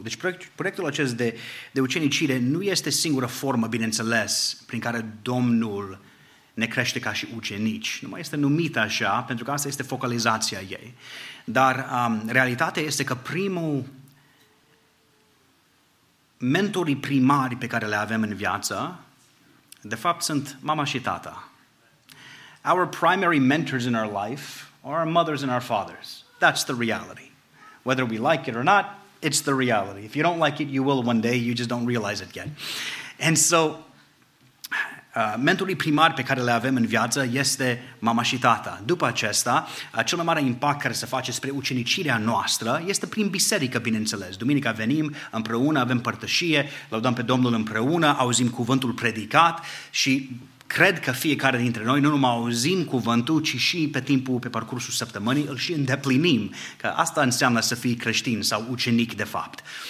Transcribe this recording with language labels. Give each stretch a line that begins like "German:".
Romanian: Deci proiectul acest de ucenicire nu este singura formă, bineînțeles, prin care Domnul ne crește ca și ucenici. Nu mai este numit așa, pentru că asta este focalizația ei. Dar realitatea este că mentorii primari pe care le avem în viață, de fapt, sunt mama și tata.
English: Our primary mentors in our life are our mothers and our fathers. That's the reality. Whether we like it or not, it's the reality. If you don't like it, you will one day, you just don't realize it yet. And so,
Romanian: mentorii primari pe care le avem în viață este mama și tata. După acesta, cel mai mare impact care se face spre ucenicirea noastră este prin biserică, bineînțeles. Duminica venim împreună, avem părtășie, laudăm pe Domnul împreună, auzim cuvântul predicat și cred că fiecare dintre noi nu numai auzim cuvântul, ci și pe parcursul săptămânii îl și îndeplinim, că asta înseamnă să fii creștin sau ucenic de fapt.